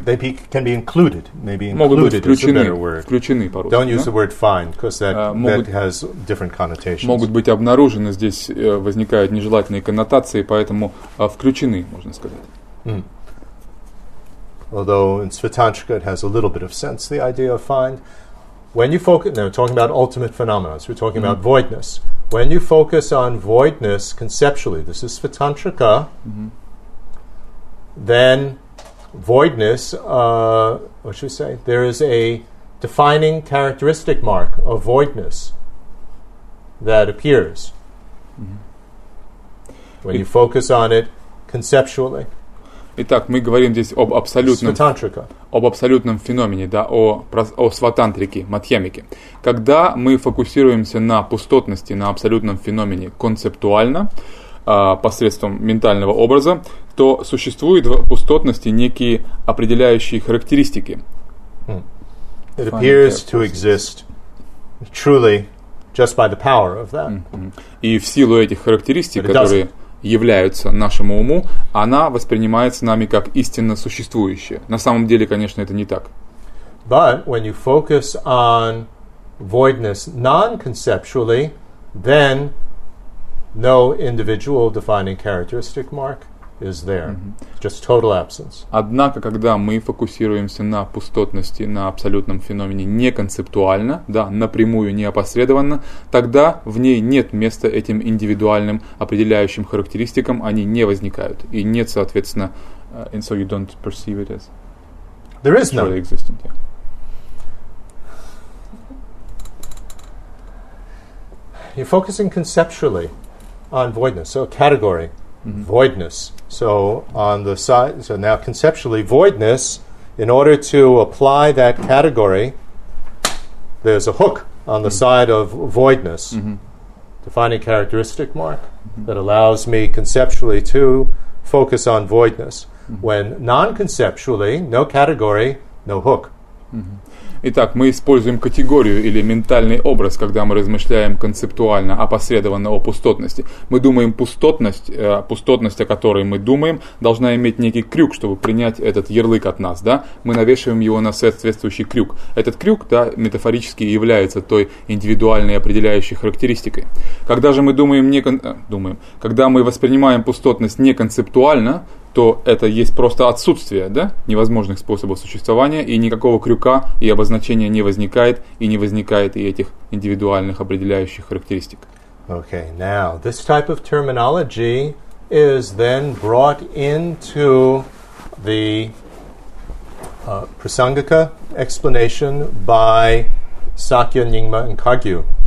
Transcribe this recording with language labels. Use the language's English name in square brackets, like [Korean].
[English] They can be included, maybe included. [Russian] Могут быть включены, по-русски. [English] Don't use the word find, because that has different connotations. [Russian] Могут быть обнаружены, здесь возникают нежелательные коннотации, поэтому включены, можно сказать. [English] Mm. Although in Svetanchika it has a little bit of sense, the idea of find. When you focus, now we're talking about ultimate phenomena, so we're talking about voidness. When you focus on voidness conceptually, this is Svetanchika, then voidness, what should we say? There is a defining characteristic mark of voidness that appears when you focus on it conceptually. [Russian] Итак, мы говорим здесь об абсолютном, феномене, да, о сватантрике, матхьямике. Когда мы фокусируемся на пустотности, на абсолютном феномене концептуально, посредством ментального образа, то существуют в пустотности некие определяющие характеристики. [English] It appears to exist truly just by the power of that. [Russian] И в силу этих характеристик, которые... являются нашему уму, она воспринимается нами как истинно существующая. На самом деле, конечно, это не так. [English] But when you focus on voidness non-conceptually, then no individual defining characteristic mark is there. Just total absence. [Russian] Однако, когда мы фокусируемся на пустотности, на абсолютном феномене неконцептуально, да, напрямую, неопосредованно, тогда в ней нет места этим индивидуальным определяющим характеристикам, они не возникают. И нет, соответственно, [English] and so you don't perceive it as... There is none. Really existent, yeah. You're focusing conceptually on voidness, so a category. Voidness. So on the side, so now conceptually, voidness, in order to apply that category, there's a hook on the side of voidness, defining characteristic mark, that allows me conceptually to focus on voidness. When non-conceptually, no category, no hook. [Russian] Итак, мы используем категорию или ментальный образ, когда мы размышляем концептуально, опосредованно о пустотности. Мы думаем, пустотность, о которой мы думаем, должна иметь некий крюк, чтобы принять этот ярлык от нас, да? Мы навешиваем его на соответствующий крюк. Этот крюк, да, метафорически является той индивидуальной определяющей характеристикой. Когда же мы думаем, когда мы воспринимаем пустотность неконцептуально, то это есть просто отсутствие, да, невозможных способов существования, и никакого крюка и обозначения не возникает, и не возникает и этих индивидуальных определяющих характеристик. [English] Okay, now, this type of terminology is then brought into the prasangika explanation by Sakya, Nyingma and Kagyu.